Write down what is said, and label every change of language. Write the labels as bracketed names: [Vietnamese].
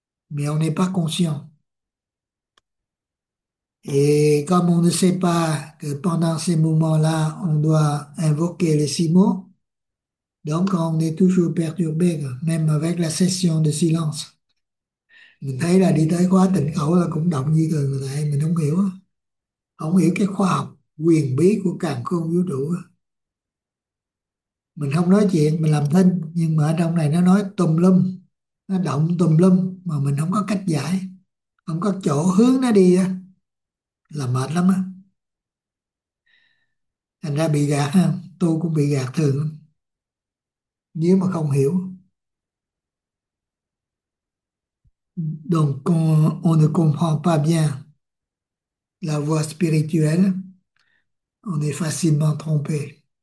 [French] Mais on n'est pas conscient. Et comme on ne sait pas que pendant ces moments-là, on doit invoquer les six mots, donc on est toujours perturbé, même avec la session de silence. [Vietnamese] Mình thấy là đi tới khóa tịnh khẩu là cũng động như thường người ta, mình không hiểu, không hiểu cái khoa học huyền bí của càn khôn vũ trụ. Mình không nói chuyện, mình làm thinh, nhưng mà ở trong này nó nói tùm lum, nó động tùm lum mà mình không có cách giải, không có chỗ hướng nó đi á, là mệt lắm á, thành ra bị gạt ha. Tôi cũng bị gạt thường nếu mà không hiểu. [French] Donc, on ne comprend pas bien la voie spirituelle, on est facilement trompé.